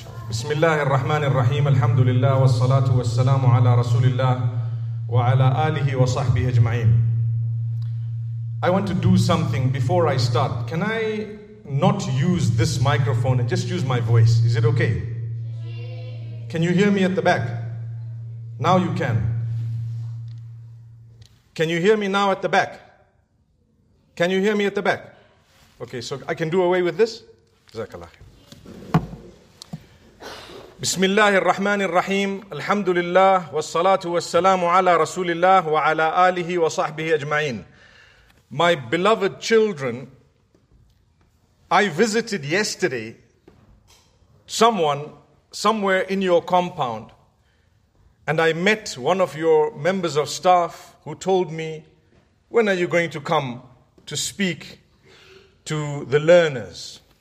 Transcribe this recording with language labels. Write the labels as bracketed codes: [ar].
[ar] بسم الله الرحمن الرحيم الحمد لله والصلاة والسلام على رسول الله وعلى آله وصحبه أجمعين. [en] I want to do something before I start. Can I not use this microphone and just use my voice? Is it okay? Can you hear me at the back? Now you can. Can you hear me now at the back? Can you hear me at the back? Okay, so I can do away with this? [ar] Jazakallah. بسم الله الرحمن الرحيم الحمد لله والصلاة والسلام على رسول الله وعلى آله وصحبه أجمعين. [en] My beloved children, I visited yesterday someone somewhere in your compound, and I met one of your members of staff who told me, "When are you going to come to speak to the learners?"